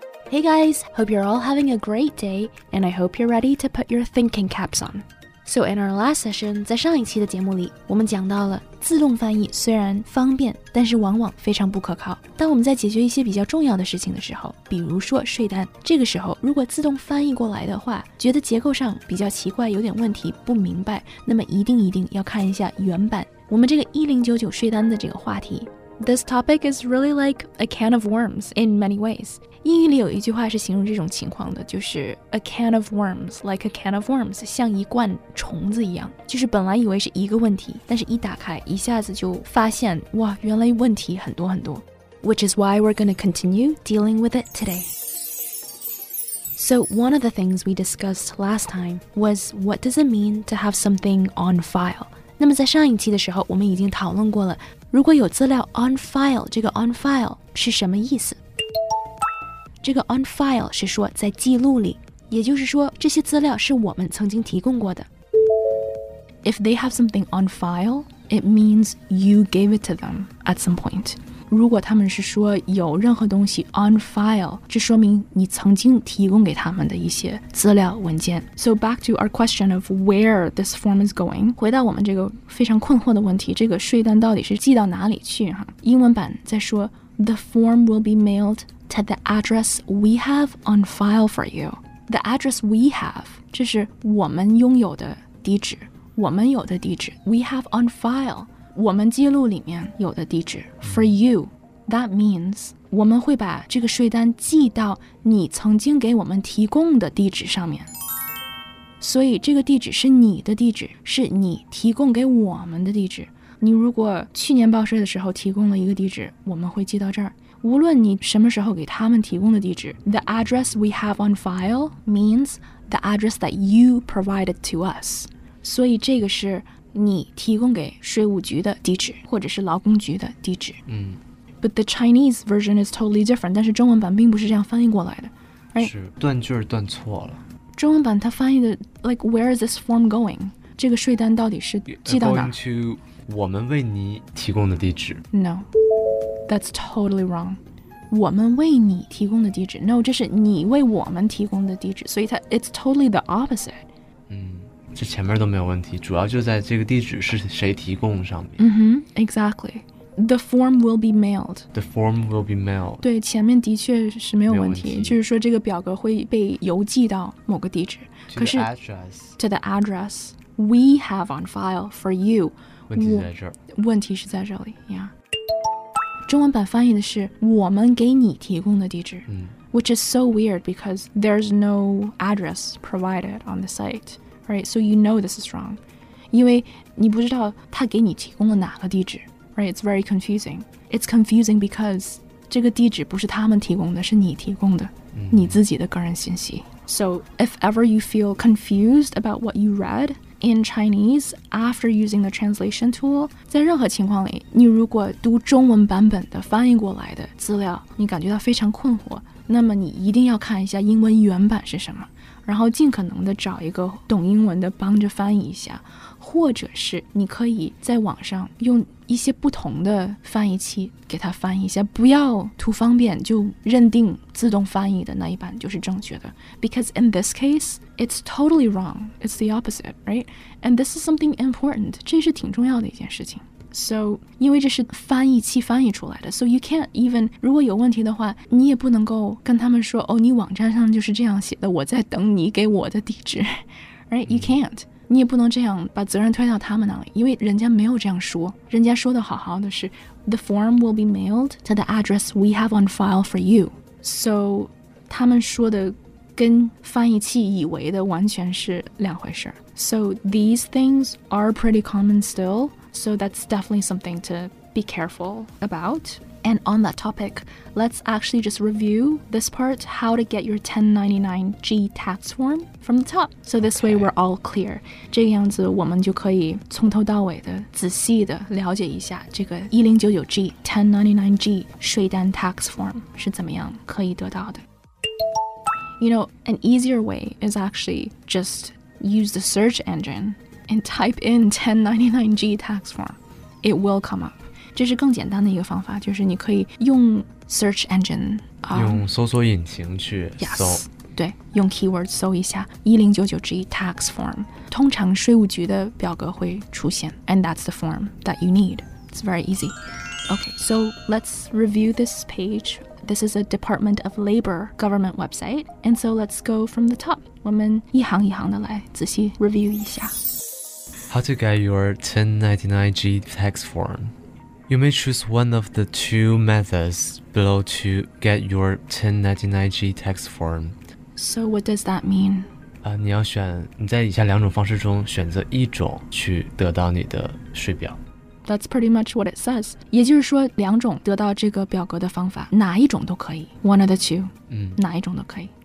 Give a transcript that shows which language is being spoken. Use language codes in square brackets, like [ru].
[en] Hey guys, hope you're all having a great day, and I hope you're ready to put your thinking caps on. So in our last session, [zh] 在上一期的节目里，我们讲到了自动翻译虽然方便，但是往往非常不可靠。当我们在解决一些比较重要的事情的时候，比如说税单，这个时候如果自动翻译过来的话，觉得结构上比较奇怪，有点问题，不明白，那么一定要看一下原版。我们这个1099税单的这个话题。 [en] This topic is really like a can of worms in many ways. [zh] 英语里有一句话是形容这种情况的，就是 [en] a can of worms, [zh] like a can of worms, 像一罐虫子一样，就是本来以为是一个问题，但是一打开一下子就发现，哇，原来问题很多很多。 [en] Which is why we're going to continue dealing with it today. So one of the things we discussed last time was what does it mean to have something on file? [zh] 那么在上一期的时候我们已经讨论过了，如果有资料 on file, 这个 on file 是什么意思？这个 on file 是说在记录里，也就是说这些资料是我们曾经提供过的。 [en] If they have something on file, it means you gave it to them at some point. [zh] 如果他们是说有任何东西 on file, 这说明你曾经提供给他们的一些资料文件。 [en] So back to our question of where this form is going. [zh] 回到我们这个非常困惑的问题，这个税单到底是寄到哪里去？英文版在说 [en] the form will be mailedto the address we have on file for you. The address we have, [zh] 这是我们拥有的地址。我们有的地址。 [en] We have on file, [zh] 我们记录里面有的地址。 [en] For you, that means, [zh] 我们会把这个税单寄到你曾经给我们提供的地址上面。所以这个地址是你的地址，是你提供给我们的地址。你如果去年报税的时候提供了一个地址，我们会寄到这儿。无论你什么时候给他们提供的地址 [en] The address we have on file means the address that you provided to us. [zh] 所以这个是你提供给税务局的地址，或者是劳工局的地址。 [en] But the Chinese version is totally different. [zh] 但是中文版并不是这样翻译过来的。 [en] Right? [zh] 是断句断错了。中文版它翻译的 [en] like where is this form going? [zh] 这个税单到底是寄到哪 [en] Going to [zh] 我们为你提供的地址。 [en] No. That's totally wrong. [zh] 我们为你提供的地址 No, 这是你为我们提供的地址所以它 [en] It's totally the opposite. [zh] 嗯，这前面都没有问题主要就在这个地址是谁提供上面、 [en] mm-hmm, Exactly. The form will be mailed. The form will be mailed. [zh] 对，前面的确是没有问题, 没问题就是说这个表格会被邮寄到某个地址 [en] To [zh] 可是 [en] the address. To the address we have on file for you. [zh] 问题在这儿。问题是在这里 [en] Yeah. [zh] 中文版翻译的是我们给你提供的地址、 [en] which is so weird because there's no address provided on the site, right? So you know this is wrong. [zh] 因为你不知道他给你提供了哪个地址 [en] right? It's very confusing. It's confusing because [zh] 这个地址不是他们提供的是你提供的、你自己的个人信息。 [en] So if ever you feel confused about what you read,In Chinese, after using the translation tool, [zh] 在任何情况里，你如果读中文版本的翻译过来的资料，你感觉到非常困惑，那么你一定要看一下英文原版是什么，然后尽可能的找一个懂英文的帮着翻译一下，或者是你可以在网上用一些不同的翻译器给它翻译一下，不要图方便就认定自动翻译的那一版就是正确的。 [en] Because in this case, it's totally wrong. It's the opposite, right? And this is something important. [zh] 这是挺重要的一件事情。 [en] So, [zh] 因为这是翻译器翻译出来的 [en] So you can't even, [zh] 如果有问题的话你也不能够跟他们说哦，你网站上就是这样写的我在等你给我的地址 [en] Right? You can't [zh] 你也不能这样把责任推到他们那里因为人家没有这样说人家说的好好的是 [en] The form will be mailed to the address we have on file for you [zh] So 他们说的跟翻译器以为的完全是两回事 [en] So these things are pretty common still So that's definitely something to be careful about And on that topic Let's actually just review this part How to get your 1099G tax form from the top So this way we're all clear [zh] 这个样子我们就可以从头到尾的仔细的了解一下这个 1099G 1099G 税单 tax form 是怎么样可以得到的 [en] You know, an easier way is actually just use the search engine and type in 1099G tax form, it will come up. [zh] 这是更简单的一个方法，就是你可以用 search engine、用搜索引擎去搜、 [en] yes. [zh] 对，用 keyword 搜一下 1099G tax form， 通常税务局的表格会出现， [en] and that's the form that you need. It's very easy. Okay, so let's review this page. This is a Department of Labor government website, and so let's go from the top. [zh] 我们一行一行的来仔细 review 一下。 [en] How to get your 1099G tax form? You may choose one of the two methods below to get your 1099G tax form. So what does that mean?、 [zh] 你要选你在以下两种方式中选择一种去得到你的税表。 [en] That's pretty much what it says. [zh] 也就是说两种得到这个表格的方法哪一种都可以。 [en] One of the two.、 [zh] 哪一种都可以。